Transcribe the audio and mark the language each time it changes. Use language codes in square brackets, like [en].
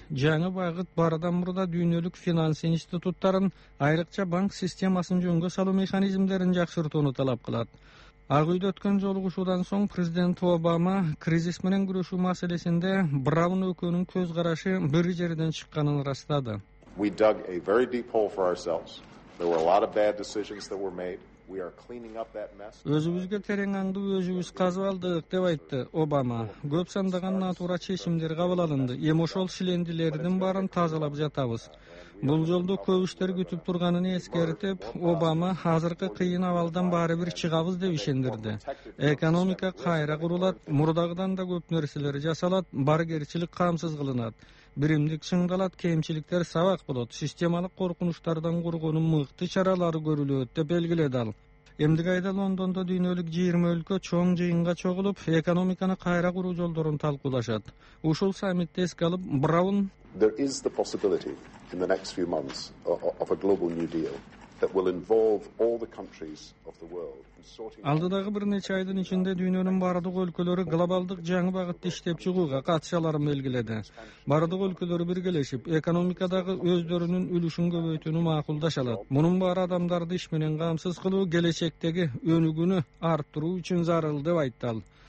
[ky] Жаңы багыт бардан мурда дүйнөлүк финанс институттарын, айрыкча банк системасын жөнгө салуу механизмдерин жакшыртууну талап кылат. Ак Үйдө өткөн жолугушуудан соң президент Обама кризис менен күрөшүү маселесинде Браун өкөнүн көз карашы бир жерден чыкканын ырастады. [en] We dug a very deep hole for ourselves. There were a lot of bad decisions that were made. We are cleaning up that mess. [ky] Өзүбүзгө терең аңды өзүбүз казып алдык деп айтты Обама. Көп сандаган натура чечимдер кабыл алынды. Эми ошол шилендилердин баарын тазалап жатабыз. Бул жолдо көп иштер күтүп турганын эскертип, Обама азыркы кыйын абалдан баары бир чыгабыз деп ишендирди. Экономика кайра курулат, мурдагыдан да көп нерселер жасалат, баргерчилик камсыз кылынат. Биримдик чыңдалат, кемчиликтер сабак болот, системалык коркунучтардан коргонун мыкты чаралары көрүлөт деп белгиледи ал. Эмдиги айда Лондондо дүйнөлүк 20 өлкө чоң жыйынга чогулуп, экономиканы кайра куруу жолдорун талкуулашат. Ушул саммитте эске алып, Браун: [en] There is the possibility in the next few months of a global new deal that will involve all the countries of the world. [ky] Алдыдагы бир нече айдын ичинде дүйнөнүн бардык өлкөлөрү глобалдык жаңы багытты иштеп чыгууга катышаларын белгиледи. Бардык өлкөлөрү биргелешип, экономикадагы өздөрүнүн үлүшүн көбөйтүүнү макулдашалат. Мунун баары адамдарды иш менен камсыз кылуу, келечектеги өнүгүүнү арттыруу үчүн зарыл деп айтты ал.